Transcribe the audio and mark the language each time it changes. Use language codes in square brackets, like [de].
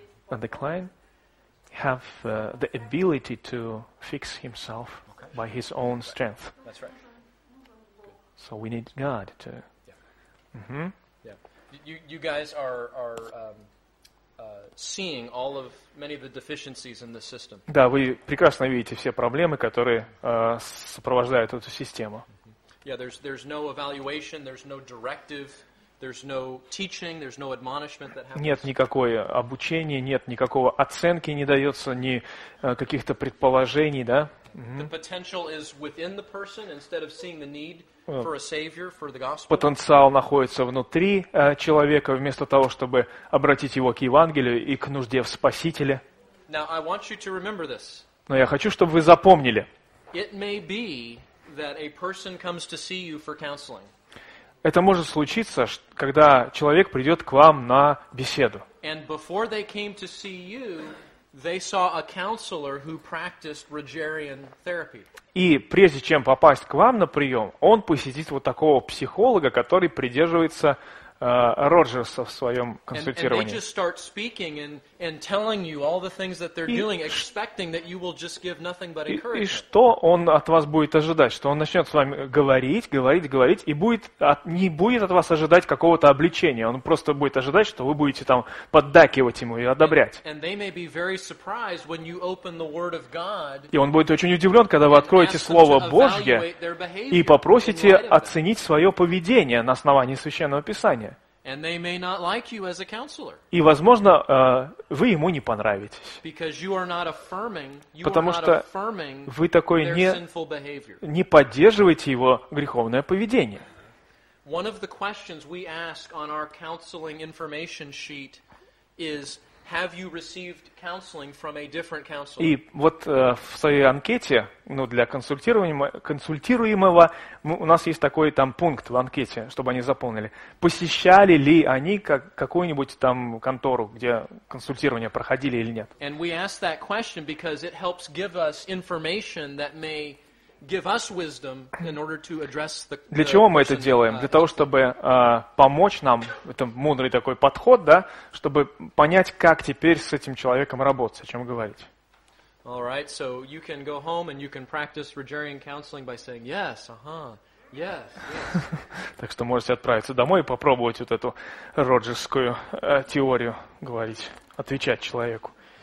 [en] The client have the ability to fix himself. By his own strength. That's right. Good. So we need God to. Yeah. Mm-hmm. Yeah. You guys are seeing all of many of the deficiencies in the system. [ru] Да, вы прекрасно видите все проблемы, которые сопровождают эту систему. [en] Mm-hmm. Yeah. There's no evaluation. There's no directive. There's no teaching. There's no admonishment that happens. [ru] Нет никакого обучения. Нет никакого оценки не дается ни каких-то предположений, да? [en] The potential is within the person instead of seeing the need for a savior for the gospel. [ru] Потенциал находится внутри человека вместо того, чтобы обратить его к Евангелию и к нужде в Спасителе. [en] Now I want you to remember this. [ru] Но я хочу, чтобы вы запомнили. [en] It may be that a person comes to see you for counseling. [ru] Это может случиться, когда человек придет к вам на беседу. [en] And before they came to see you, they saw a counselor who practiced Rogerian therapy. [ru] И прежде чем попасть к вам на прием, он посетит вот такого психолога, который придерживается Роджерса в своем консультировании. [en] And they just start speaking and telling you all the things that they're doing, expecting that you will just give nothing but encouragement. [ru] И что он от вас будет ожидать? Что он начнет с вами говорить, и не будет от вас ожидать какого-то обличения. Он просто будет ожидать, что вы будете там поддакивать ему и одобрять. [en] And they may be very surprised when you open the Word of God. [ru] И он будет очень удивлен, когда вы откроете Слово Божье и попросите оценить свое поведение на основании Священного Писания. [en] And they may not like you as a counselor. [ru] И, возможно, вы ему не понравитесь. [en] Because you are not affirming, you [ru] потому [en] are [ru] что [en] not affirming [ru] вы такой [en] their sinful behavior. [ru] Не поддерживаете его греховное поведение. [en] One of the questions we ask on our counseling information sheet is, have you received counseling from a different counselor? [ru] И вот в своей анкете, ну, для консультируемого, у нас есть такой там пункт в анкете, чтобы они заполнили. Посещали ли они какую-нибудь там контору, где консультирование проходили или нет? [en] And we ask that question because it helps give us information that may give us wisdom in order to address the [ru] Для чего мы это делаем? Для того, чтобы помочь нам, это мудрый такой подход, да, чтобы понять, как теперь с этим человеком работать, о чем говорить. [en] All right, so you can go home and you can practice Rogerian counseling by saying yes, uh-huh. Yes, yes. [ru] Так что можете отправиться домой и попробовать вот эту роджерскую теорию говорить, отвечать человеку.